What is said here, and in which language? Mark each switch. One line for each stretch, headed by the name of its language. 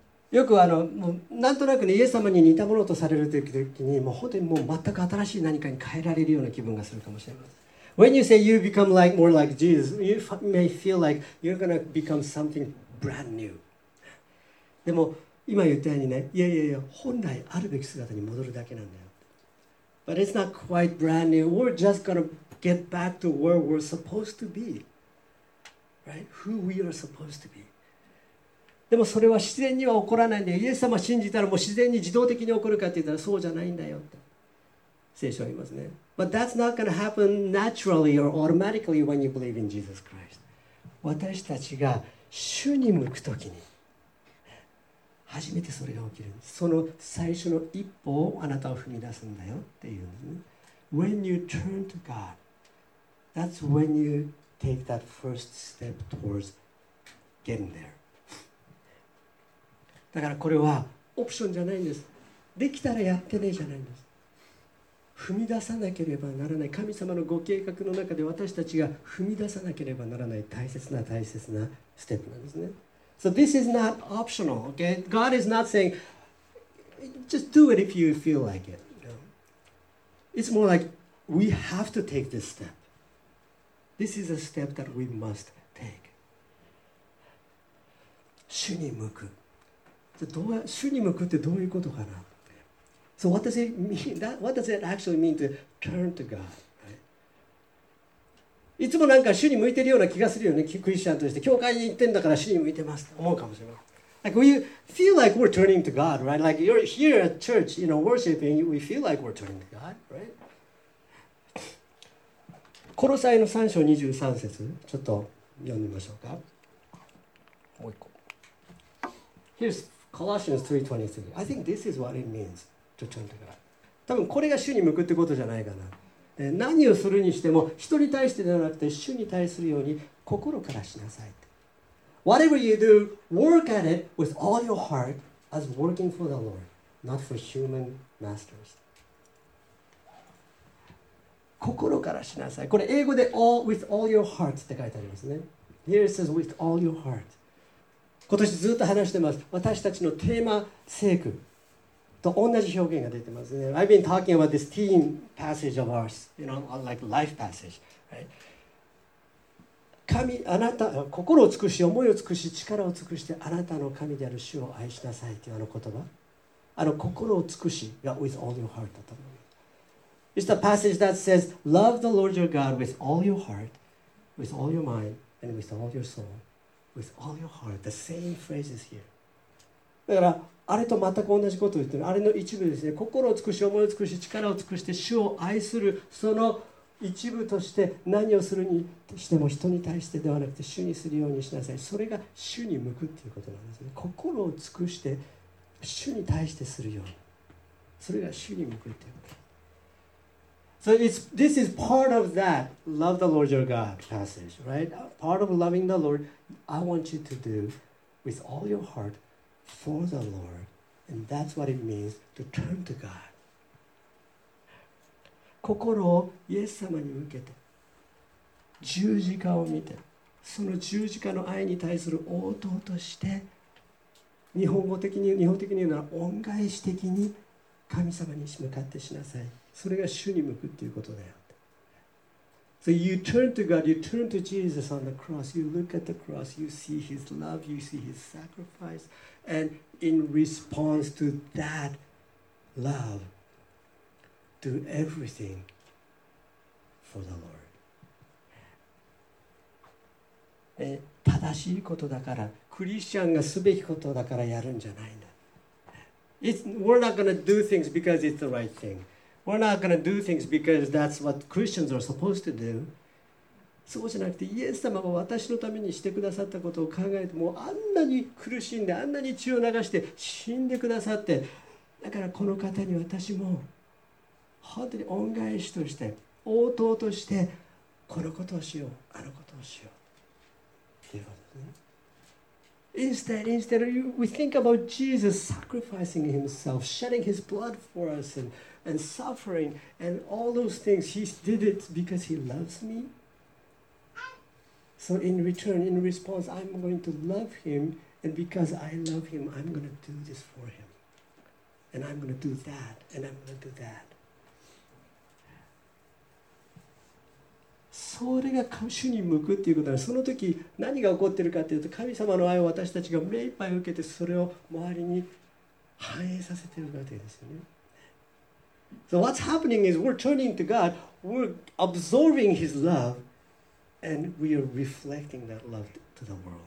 Japanese: よくもうなんとなくね、イエス様に似たものとされるときに、もう本当にもう全く新しい何かに変えられるような気分がするかもしれません。
English: When you say you become like more like Jesus, you may feel like you're gonna become something brand new.
Japanese: でも今言ったようにね、いやいやいや、本来あるべき姿に戻るだけなんだよ。
English: But it's not quite brand new. We're just gonna get back to where we're supposed to be. Right? Who we are supposed to be.
Japanese: でもそれは自然には起こらないんだよ。イエス様を信じたらもう自然に自動的に起こるかって言ったらそうじゃないんだよって。聖書は言いますね。
English: But that's not gonna happen naturally or automatically when you believe in Jesus Christ.
Japanese: 私たちが主に向くときに初めてそれが起きるんです。その最初の一歩をあなたを踏み出すんだよっていうんですね。
English: When you turn to God, that's when you take that first step towards getting there.
Japanese: だからこれはオプションじゃないんです。できたらやってねえじゃないんです。踏み出さなければならない。神様のご計画の中で私たちが踏み出さなければならない大切な大切なステップなんですね。
English: So this is not optional, okay? God is not saying, just do it if you feel like it. No. It's more like, we have to take this step. This is a step that we must take.
Japanese: 主に向く。主に向くってどういうことかな？
English: So what does it mean? What does it actually mean to turn to God?
Japanese: いつもなんか主に向いてるような気がするよね。クリスチャンとして教会に行ってんだから主に向いてますって思うかもしれない。
English: Like we feel like we're turning to God, right? Like you're here at church, you know, worshiping, we feel like we're turning to God, right?
Japanese: 殺されの3章23節、ちょっと読んでみましょうか。もう一個。
English: Here's Colossians 3:23. I think this is what it means to turn to God.
Japanese: 多分これが主に向くってことじゃないかな。何をするにしても人に対してではなくて主に対するように心からしなさいって。
English: Whatever you do, work at it with all your heart as working for the Lord, not for human masters.
Japanese: 心からしなさい。これ英語で
English: all, with all your heart
Japanese: って書いてありますね。
English: Here it says with all your heart.
Japanese: 今年ずっと話してます。私たちのテーマ聖句。と同じ表現が出てますね。
English: I've been talking about this teen passage of ours, you know, like life passage, right?
Japanese: 神、あなた、心を尽くし、思いを尽くし、力を尽くして、あなたの神である主を愛しなさいというあの言葉。心を尽くしが
English: with all your heart
Japanese: だと思う。
English: It's the passage that says, love the Lord your God with all your heart, with all your mind, and with all your soul, with all your heart. The same phrases here.
Japanese: だから、あれと全く同じことを言っている。あれの一部ですね。心を尽くし、思いを尽くし、力を尽くして、主を愛する、その一部として、何をするにしても、人に対してではなくて、主にするようにしなさい。それが主に向くということなんですね。心を尽くして、主に対してするように。それが主に向くということ。
English: So it's, this is part of that love the Lord your God passage, right? Part of loving the Lord, I want you to do with all your heart. For the Lord, and that's what it means to turn to God.
Japanese: 心をイエス様に向けて、十字架を見て、その十字架の愛に対する応答として、日本的に言うなら恩返し的に神様に向かってしなさい。それが主に向くということだよ。
English: So you turn to God, you turn to Jesus on the cross, you look at the cross, you see His love, you see His sacrifice, and in response to that love, do everything for the Lord.
Japanese: 正しいことだから、クリスチャンがすべきことだからやるんじゃないんだ。
English: We're not going to do things because it's the right thing. We're not going to do things because that's what Christians are supposed to do.
Japanese: そうじゃなくて、イエス様が私のためにしてくださったことを考えて、もうあんなに苦しんで、あんなに血を流して死んでくださって、だからこの方に私も本当に恩返しとして、応答としてこのことをしよう、あのことをしようということですね。
English: Instead, we think about Jesus sacrificing himself, shedding his blood for us and suffering and all those things. He did it because he loves me. So in return, in response, I'm going to love him, and because I love him, I'm going to do this for him. And I'm going to do that, and I'm going to do that.
Japanese: それが主に向くっていうことなんです。その時何が起こってるかっていうと、神様の愛を私たちが目いっぱい受けて、それを周りに反映させてるわけですよね。
English: So what's happening is we're turning to God, we're absorbing his love, and we are reflecting that love to the world.